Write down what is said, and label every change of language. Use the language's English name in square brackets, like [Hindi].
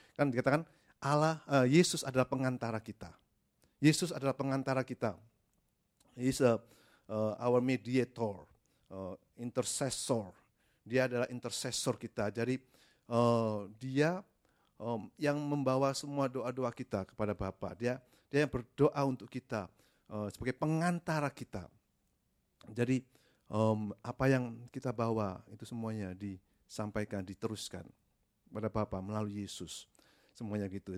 [Indonesian] Kan dikatakan Allah, Yesus adalah pengantara kita. Yesus adalah pengantara kita. [English] He is our mediator, intercessor. [Indonesian] Dia adalah intercessor kita. Jadi dia yang membawa semua doa-doa kita kepada Bapa. Dia yang berdoa untuk kita sebagai pengantara kita. Jadi apa yang kita bawa itu semuanya disampaikan, diteruskan kepada Bapa melalui Yesus. Semuanya gitu.